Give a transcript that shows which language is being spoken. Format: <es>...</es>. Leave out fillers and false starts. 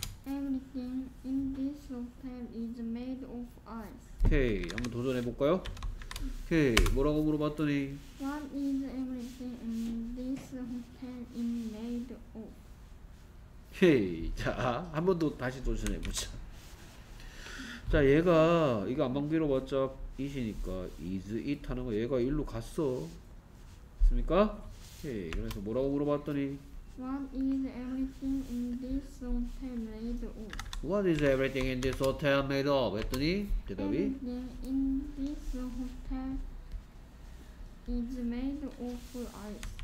<en>Everything in this hotel is made of ice.</en> <ko>Okay, 한번 도전해 볼까요? 오케이. 뭐라고 물어봤더니</ko> <en>What is everything in this hotel is made of? 오케이.</en> <ko>자, 한 번 더 다시 도전해 보자. 자, 얘가 이거 안방비로 봤자 이시니까</ko> <en>is it</en> <ko>하는 거 얘가 일로 갔어. 됐습니까? 오케이. 그래서 뭐라고 물어봤더니</ko> <en>What is everything in this hotel made of? What is everything in this hotel made of?</en> <ko>했더니 대답이</ko> <en>Everything in this hotel is made of ice.</en>